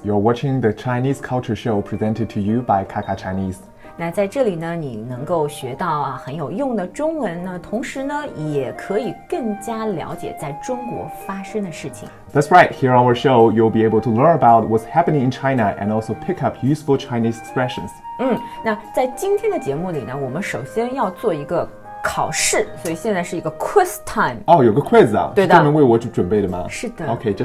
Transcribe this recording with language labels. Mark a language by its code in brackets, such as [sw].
[en] You're watching the Chinese Culture Show presented to you by 卡卡 Chinese。 [zh] 那在这里呢，你能够学到啊很有用的中文呢，同时呢也可以更加了解在中国发生的事情。 [en] That's right, here on our show you'll be able to learn about what's happening in China and also pick up useful Chinese expressions。 [zh] 那在今天的节目里呢，我们首先要做一个考试，所以现在是一个 [en] quiz time。 [zh] 哦，有个 quiz 啊，对的，专门为我准备的吗？是的。 [en] OK, just